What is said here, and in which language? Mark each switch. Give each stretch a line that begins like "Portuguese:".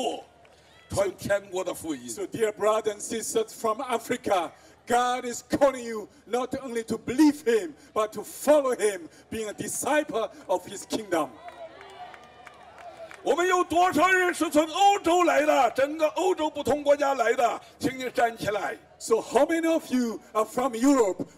Chinese: 神要我们起来跟随耶稣做主的门徒传天国的福音
English: So dear brothers and sisters from Africa God is calling you not only to believe him but to follow him being a disciple of his kingdom
Chinese: 我们有多少人是从欧洲来的整个欧洲不同国家来的请你站起来
English: So how many of you are from Europe?